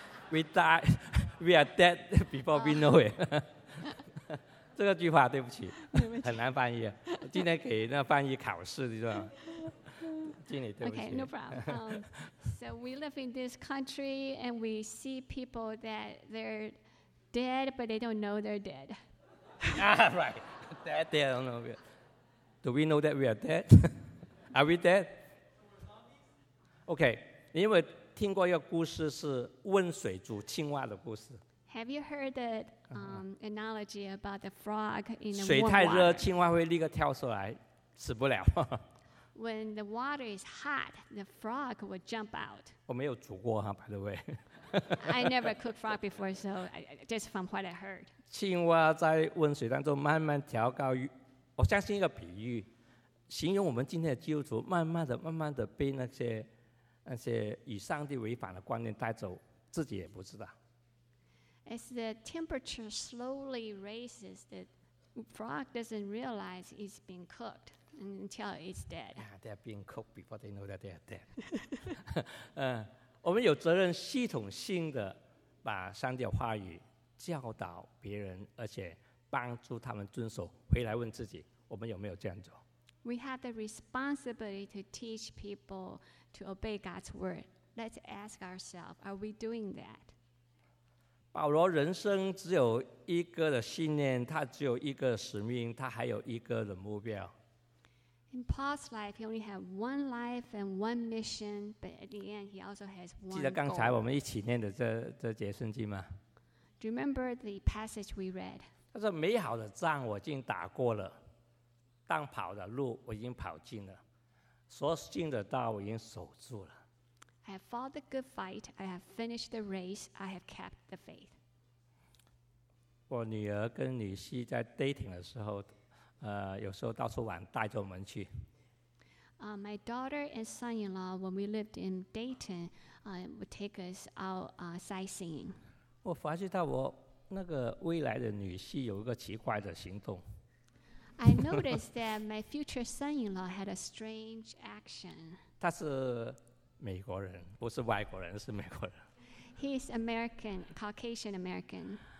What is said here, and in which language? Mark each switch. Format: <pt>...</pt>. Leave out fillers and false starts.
<en>We die, we are dead before we know it.</en> <zh>这个句话对不起，很难翻译。今天给那翻译考试，你知道吗？经理，对不起。</zh> <en>Okay, no problem. So we live in this country, and we see people that they're dead, but they don't know they're dead. Ah, right. Dead, dead, don't know. Do we know that we are dead? Are we dead? Okay.</en> <zh>因为听过一个故事，是温水煮青蛙的故事。</zh> <en>Have you heard the analogy about the frog in the water?</en> <zh>水太热，青蛙会立刻跳出来，死不了。</zh> <en>When the water is hot, the frog would jump out.</en> <zh>我没有煮过哈 ，</zh> <en>by the way. I never cooked frog before, so just from what I heard.</en> <zh>青蛙在温水当中慢慢调高，我相信一个比喻，形容我们今天的基督徒，慢慢的、慢慢的被那些与上帝违反的观念带走，自己也不知道。</zh> <en>As the temperature slowly raises, the frog doesn't realize it's being cooked until it's dead. Yeah, they're being cooked before they know that they are dead.</en> <zh>我们有责任系统性的把上帝的话语教导别人，而且帮助他们遵守，回来问自己，我们有没有这样做？</zh> <en>We have the responsibility to teach people to obey God's word. Let's ask ourselves, are we doing that?</en> <zh>保罗人生只有一个的信念，他只有一个使命，他还有一个的目标。</zh> <en>In Paul's life, he only had one life and one mission, but at the end, he also has one goal.</en> <zh>记得刚才我们一起念的这节圣经吗？</zh> <en>Do you remember the passage we read?</en> <zh>他说，美好的仗我已经打过了。当跑的路我已经跑尽了，所信的道我已经守住了。</zh> <en>I have fought the good fight, I have finished the race, I have kept the faith.</en> <zh>我女儿跟女婿在 dating 的时候，有时候到处玩，带着我们去。</zh> <en>My daughter and son-in-law, when we lived in Dayton, would take us out sightseeing.</en> <zh>我发觉到我那个未来的女婿有一个奇怪的行动。</zh> <en>I noticed that my future son-in-law had a strange action.</en> <zh>他是美国人，不是外国人，是美国人。</zh> <en>He's American, Caucasian American.</en>